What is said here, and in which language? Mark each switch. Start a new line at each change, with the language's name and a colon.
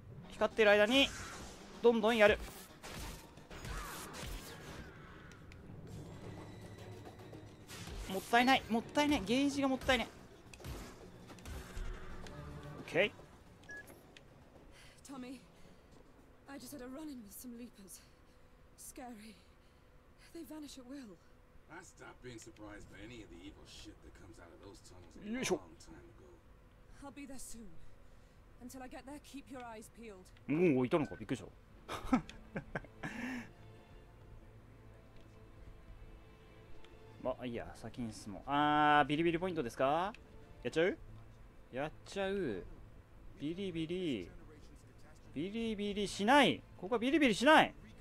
Japanese: 光ってる間にどんどんやる。もったいない、もったいない、ゲージがもったいない。 OK。
English: トミー、 I just had a run in with some leapers. Scary. They vanish at will. I stopped being surprised by any of the evil shit that comes out of those tunnels a long time ago. I'll be there soon. Until I get there, keep your eyes peeled.
Japanese: もういたのか、びっくりした。まあいいや、先に進もう。あー、ビリビリポイントですか。やっちゃう、やっちゃう。ビリビリ、ビリビリしない。ここはビリビリしない。